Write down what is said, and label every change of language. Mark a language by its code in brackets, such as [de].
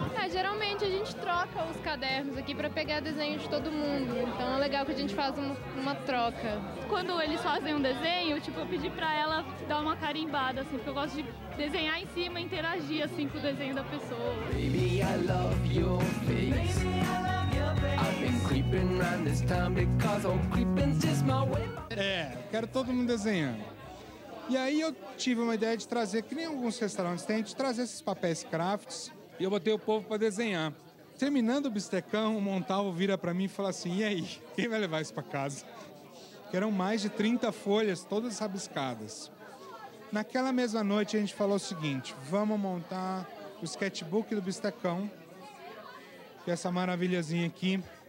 [pt] Geralmente a gente troca os cadernos aqui pra pegar desenho de todo mundo. Então é legal que a gente faz uma troca. Quando eles fazem um desenho, tipo, eu pedi pra ela dar uma carimbada, assim, porque eu gosto de desenhar em cima e interagir, assim, com o desenho da pessoa. [en] Baby, I love your face. Baby, I love your face. I've been creeping around this town because all creeping's just my way. [pt] Quero todo mundo desenhando. E aí eu tive uma ideia de trazer, que nem alguns restaurantes têm, de trazer esses papéis crafts. E eu botei o povo pra desenhar. Terminando o bistecão, o Montalvo vira pra mim e fala assim, e aí, quem vai levar isso pra casa? Que eram mais de 30 folhas, todas rabiscadas. Naquela mesma noite, a gente falou o seguinte, vamos montar o sketchbook do bistecão, que é essa maravilhazinha aqui.